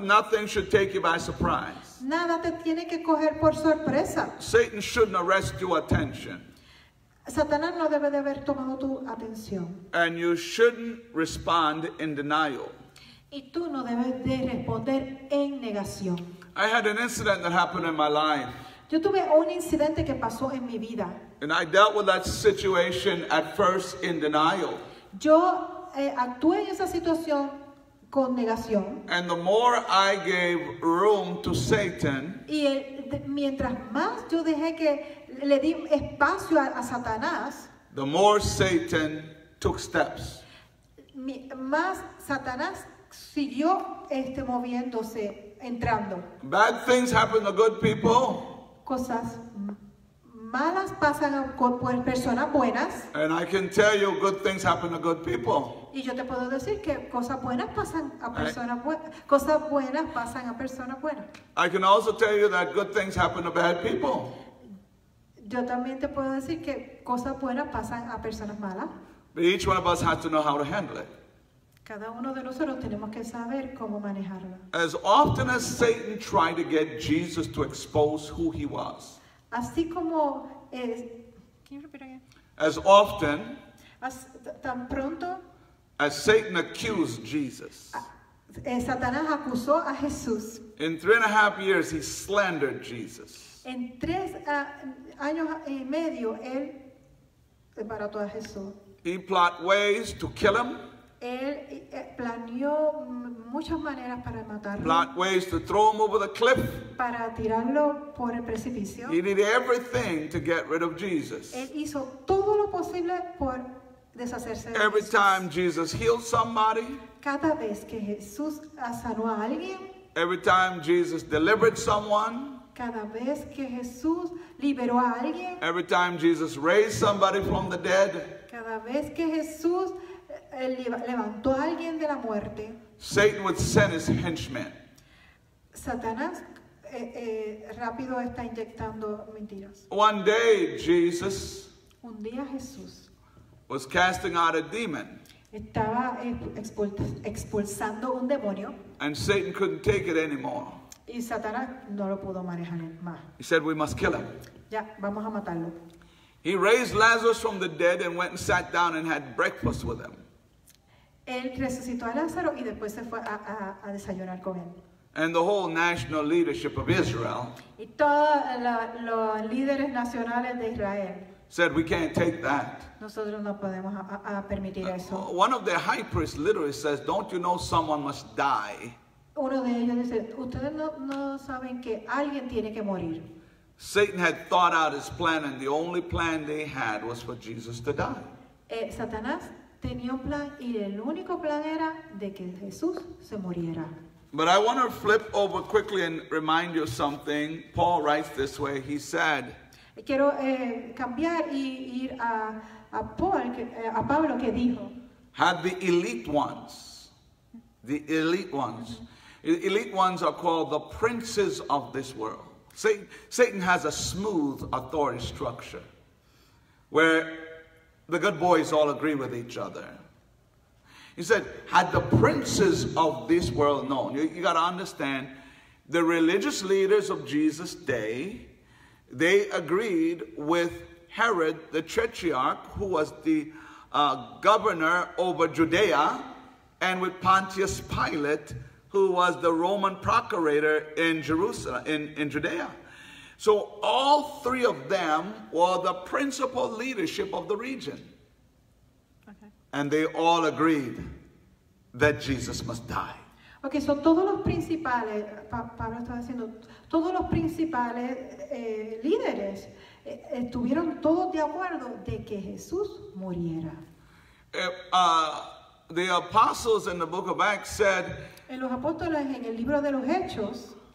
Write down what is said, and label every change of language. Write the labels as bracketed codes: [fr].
[en] Nothing should take you by surprise. [es] Nada te tiene que coger por sorpresa. [en] Satan shouldn't arrest your attention. [es] Satanás no debe de haber tomado tu atención. [en] And you shouldn't respond in denial. [es] Y tú no debes de responder en negación. [en] I had an incident that happened in my life. [es] Yo tuve un incidente que pasó en mi vida. [en] And I dealt with that situation at first in denial. [es] Yo actué en esa situación con negación. [en] And the more I gave room to Satan, [es] y mientras más yo dejé que le di espacio a Satanás, [en] the more Satan took steps. [es] Más Satanás siguió moviéndose, entrando. [en] Bad things happen to good people. [es] Cosas malas pasan con personas buenas. [en] And I can tell you good things happen to good people. [es] Y yo te puedo decir que cosas buenas pasan a personas buenas. [en] I can also tell you that good things happen to bad people. [es] Yo también te puedo decir que cosas buenas pasan a personas malas. [en] But each one of us has to know how to handle it. [es] Cada uno de nosotros tenemos que saber cómo manejarlo. [en] As often as Satan tried to get Jesus to expose who he was. [es] Así como es, [en] can you repeat again? As often [es] as tan pronto [en] as Satan accused Jesus. [es] Satanás acusó a Jesús. [en] In 3.5 years he slandered Jesus. [es] En 3 años y medio él desbarató a Jesús. [en] He plot ways to kill him. [es] Él planeó muchas maneras para matarlo. [en] Plot ways to throw him over the cliff. [es] Para tirarlo por el precipicio. [en] He did everything to get rid of Jesus. [es] Él hizo todo lo posible por deshacerse de [en] Every [es] Jesús. [en] Time Jesus healed somebody. [es] Cada vez que Jesús sanó a alguien. [en] Every time Jesus delivered someone. [es] Cada vez que Jesús liberó a alguien. [en] Every time Jesus raised somebody from the dead. [es] Cada vez que Jesús levantó a alguien de la muerte. [en] Satan would send his henchmen. [es] Satanás rápido está inyectando mentiras. [en] One day Jesus. [es] Un día Jesús. [en] Was casting out a demon. [es] Estaba expulsando un demonio. [en] And Satan couldn't take it anymore. [es] Y Satanás no lo pudo manejar más. [en] He said, "We must kill him." [es] Ya, vamos a matarlo. [en] He raised Lazarus from the dead and went and sat down and had breakfast with him. [es] Él resucitó a Lázaro y después se fue a desayunar con él. [en] And the whole national leadership of Israel. [es] Y todos los líderes nacionales de Israel. [en] Said, "We can't take that." [es] Nosotros no podemos permitir eso. [en] One of the high priests literally says, "Don't you know someone must die?" [es] Uno de ellos dice, ustedes no saben que alguien tiene que morir. [en] Satan had thought out his plan, and the only plan they had was for Jesus to die. [es] Satanás tenía un plan, y el único plan era de que Jesús se muriera. [en] But I want to flip over quickly and remind you something. Paul writes this way. He said, [es] quiero cambiar y ir a Pablo que dijo, [en] had the elite ones. Mm-hmm. Elite ones are called the princes of this world. Satan has a smooth authority structure where the good boys all agree with each other. He said, had the princes of this world known. You got to understand, the religious leaders of Jesus' day, they agreed with Herod the Tetrarch, who was the governor over Judea, and with Pontius Pilate, who was the Roman procurator in Jerusalem, in Judea. So all three of them were the principal leadership of the region. Okay. And they all agreed that Jesus must die. Okay, so [es] todos los principales, Pablo estaba diciendo, todos los principales líderes estuvieron todos de acuerdo de que Jesús muriera. [en] The apostles in the book of Acts said, [es] en los apóstoles, en el libro de los Hechos,